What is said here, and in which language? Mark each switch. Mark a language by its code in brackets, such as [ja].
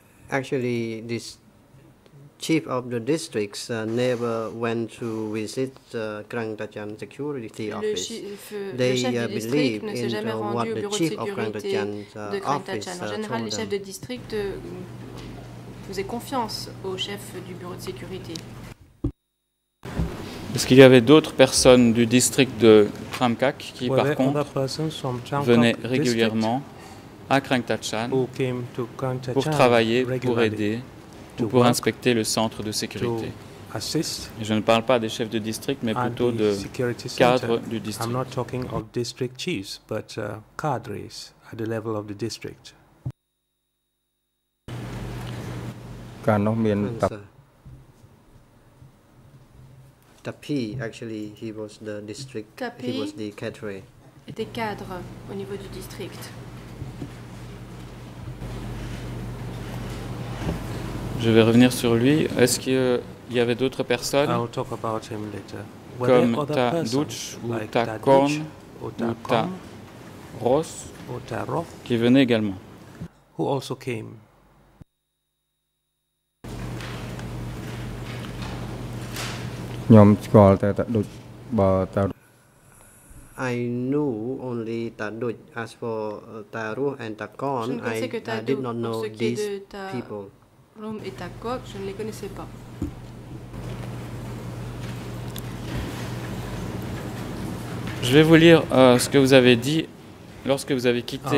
[en] Actually, this chief of the districts never went to visit the Krang Dachan security office. They believe in what the chief of Krang Dachan office told them. [fr] En général, les chefs de district faisaient confiance au chef du bureau de sécurité. Est-ce qu'il y avait d'autres personnes du district de Kramkak qui, par contre, venaient régulièrement à Krang Tachan pour travailler, pour aider, ou pour inspecter le centre de sécurité? Et je ne parle pas des chefs de district, mais plutôt de cadres du district. [en] I'm not talking of district chiefs, but cadres at the level of the district. Tapi, actually, he was the district. Tapi he was the cadre. [fr] Était cadre au niveau du district. Je vais revenir sur lui. Est-ce qu'il y avait d'autres personnes? [en] I'll talk about him later. [fr] Comme Ta Duch ou Ta Korn ou Ta Ross, qui venaient également. [en] Who also came. I knew only Taduj. As for Taru and Takon, I did not know these people. [fr] Rom et Takok, je ne les connaissais pas. Je vais vous lire ce que vous avez dit lorsque vous avez quitté.